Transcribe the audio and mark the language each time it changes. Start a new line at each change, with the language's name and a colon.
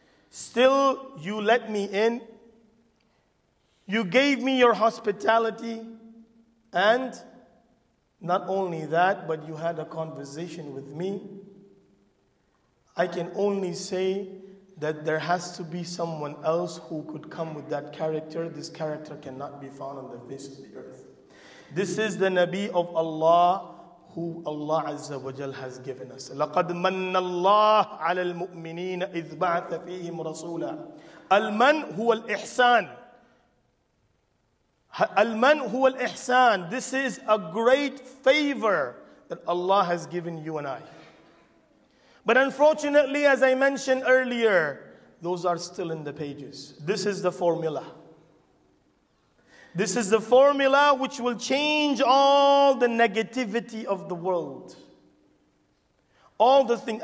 English: Still, you let me in. You gave me your hospitality and not only that, but you had a conversation with me. I can only say that there has to be someone else who could come with that character. This character cannot be found on the face of the earth. This is the Nabi of Allah who Allah Azza wa Jal has given us.
Arabic: لَقَدْ مَنَّ اللَّهُ عَلَى الْمُؤْمِنِينَ إِذْ بَعَثَ فِيهِمْ رَسُولًا الْمَنْ هُوَ الْإِحْسَانِ Al-man huwa al-ihsan.
English: This is a great favor that Allah has given you and I. But unfortunately, as I mentioned earlier, those are still in the pages. This is the formula. This is the formula which will change all the negativity of the world. All the things.